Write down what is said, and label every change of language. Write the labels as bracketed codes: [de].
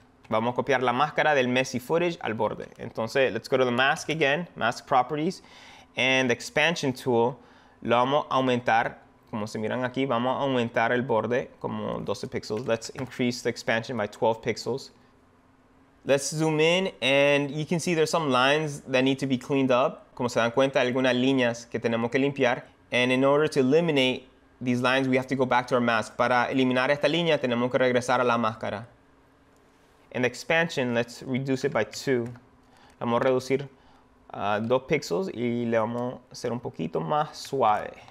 [es] Vamos a copiar la máscara del Messi footage al borde. Entonces, [en] let's go to the mask again, mask properties, and the expansion tool, [es] lo vamos a aumentar, como se miran aquí, vamos a aumentar el borde como 12 pixels. [en] Let's increase the expansion by 12 pixels. Let's zoom in, and you can see there's some lines that need to be cleaned up. [es] Como se dan cuenta, hay algunas líneas que tenemos que limpiar. [en] And in order to eliminate these lines, we have to go back to our mask. [es] Para eliminar esta línea, tenemos que regresar a la máscara. [en] And the expansion, let's reduce it by 2. [es] Vamos a reducir 2 pixels y le vamos a hacer un poquito más suave.